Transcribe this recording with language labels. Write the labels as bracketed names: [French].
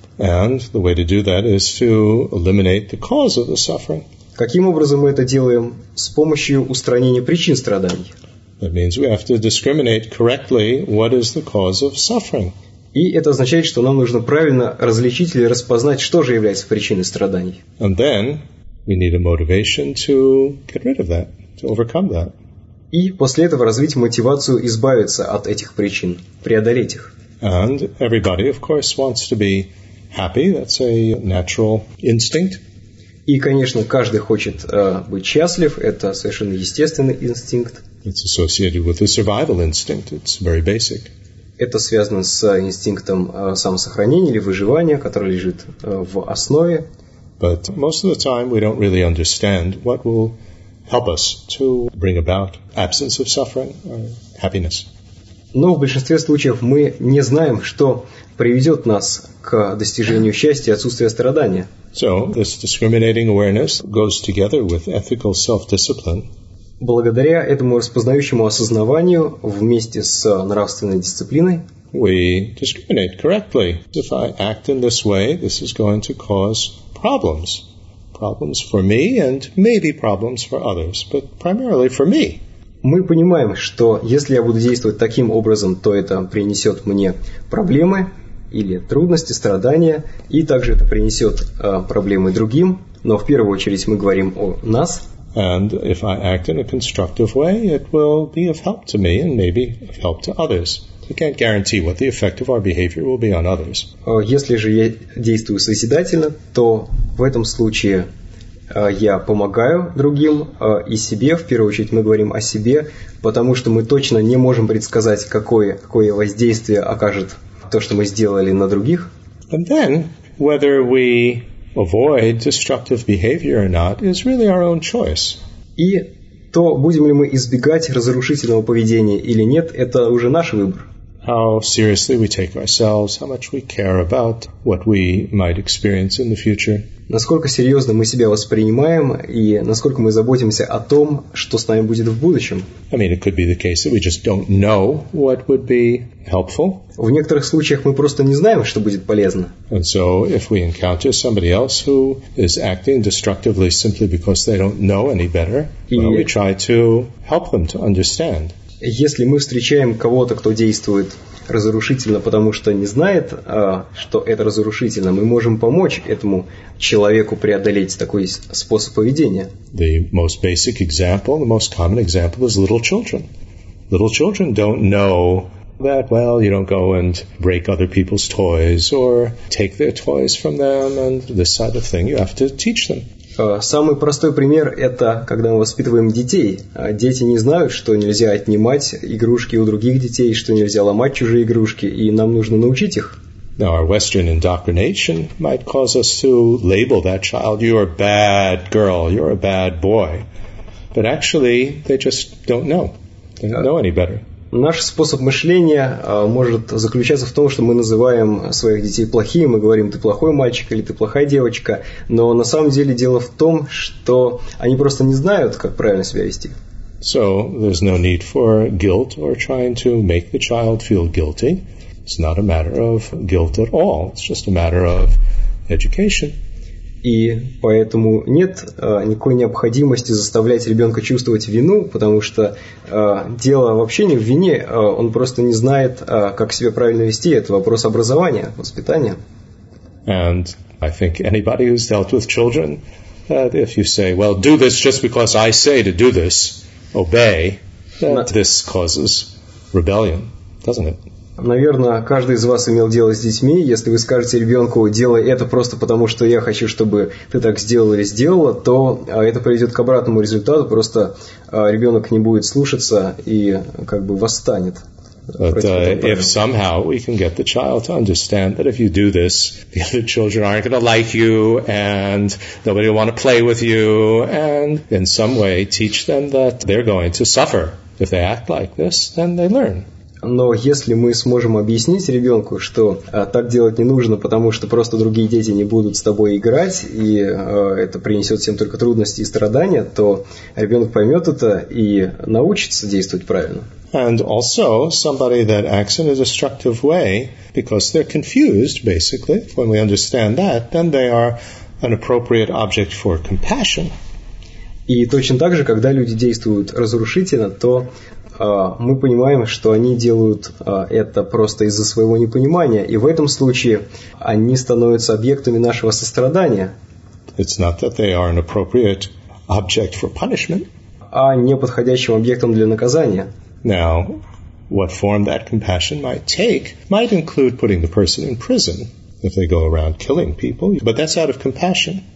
[English] And the way to do that is to eliminate the cause of the suffering. [Russian] Каким образом мы это делаем? С помощью устранения причин страданий. [English] That means we have to discriminate correctly what is the cause of suffering. [Russian] И это означает, что нам нужно правильно различить или распознать, что же является причиной страданий. [English] And then we need a motivation to get rid of that, to overcome that. [Russian] И после этого развить мотивацию избавиться от этих причин, преодолеть их. [English] And everybody, of course, wants to be happy. That's a natural instinct. [Russian] И, конечно, каждый хочет быть счастлив. Это совершенно естественный инстинкт. [English] It's associated with the survival instinct. It's very basic. [Russian] Это связано с инстинктом самосохранения или выживания, который лежит в основе. [English] But most of the time we don't really understand what will help us to bring about absence of suffering or happiness. [Russian] Но в большинстве случаев мы не знаем, что приведет нас к достижению счастья и отсутствию страдания. [English] So this discriminating awareness goes together with ethical self-discipline. [Russian] Благодаря этому распознающему осознаванию вместе с нравственной дисциплиной [English] we discriminate correctly. If I act in this way, this is going to cause problems. Problems for me and maybe problems for others, but primarily for me. [Russian] Мы понимаем, что если я буду действовать таким образом, то это принесет мне проблемы или трудности, страдания, и также это принесет проблемы другим, но в первую очередь мы говорим о нас. [English] And if I act in a constructive way, it will be of help to me and maybe of help to others. We can't guarantee what the effect of our behavior will be on others. [Russian] Если же я действую созидательно, то в этом случае я помогаю другим и себе. В первую очередь мы говорим о себе, потому что мы точно не можем предсказать, какое воздействие окажет то, что мы сделали на других. [English] And then, whether we avoid destructive behavior or not is really our own choice. [Russian] И то, будем ли мы избегать разрушительного поведения или нет, это уже наш выбор. [English] how seriously we take ourselves, how much we care about what we might experience in the future. [Russian] Насколько серьезно мы себя воспринимаем и насколько мы заботимся о том, что с нами будет в будущем. [English] I mean, it could be the case that we just don't know what would be helpful. [Russian] В некоторых случаях мы просто не знаем, что будет полезно. [English] And so, if we encounter somebody else who is acting destructively simply because they don't know any better, well, we try to help them to understand. [Russian] Если мы встречаем кого-то, кто действует разрушительно, потому что не знает, что это разрушительно, мы можем помочь этому человеку преодолеть такой способ поведения. [English] The most basic example, the most common example is little children. Little children don't know that, well, you don't go and break other people's toys or take their toys from them and this sort of thing. You have to teach them. [Russian] Самый простой пример – это когда мы воспитываем детей. Дети не знают, что нельзя отнимать игрушки у других детей, что нельзя ломать чужие игрушки, и нам нужно научить их. [English] Now, our Western indoctrination might cause us to label that child, you're a bad girl, you're a bad boy. But actually, they just don't know. They don't know any better. [Russian] Наш способ мышления может заключаться в том, что мы называем своих детей плохими, мы говорим, ты плохой мальчик или ты плохая девочка, но на самом деле дело в том, что они просто не знают, как правильно себя вести. [English] So, there's no need for guilt or trying to make the child feel guilty. It's not a matter of guilt at all. It's just a matter of education. [Russian] И поэтому нет никакой необходимости заставлять ребенка чувствовать вину, потому что дело вообще не в вине, он просто не знает, как себя правильно вести. Это вопрос образования, воспитания. [English] And I think anybody who's dealt with children, that if you say, well, do this just because I say to do this, obey, that this causes rebellion, doesn't it? [Russian] Наверное, каждый из вас имел дело с детьми. Если вы скажете ребенку, делай это просто потому, что я хочу, чтобы ты так сделал или сделала, то это приведет к обратному результату. Просто ребенок не будет слушаться и как бы восстанет. [English] But if somehow we can get the child to understand that if you do this, the other children aren't going to like you, and nobody will want to play with you, and in some way teach them that they're going to suffer if they act like this, then they learn. [Russian] Но если мы сможем объяснить ребенку, что так делать не нужно, потому что просто другие дети не будут с тобой играть, и это принесет всем только трудности и страдания, то ребенок поймет это и научится действовать правильно. [English] And also somebody that acts in a destructive way, because they're confused, basically, when we understand that, then they are an appropriate object for compassion. [Russian] И точно так же, когда люди действуют разрушительно, то мы понимаем, что они делают это просто из-за своего непонимания, и в этом случае они становятся объектами нашего сострадания. [English] It's not that they are an appropriate object for punishment. [Russian] А не подходящим объектом для наказания. [English] Now, what form that compassion might take might include putting the person in prison if they go around killing people, but that's out of compassion.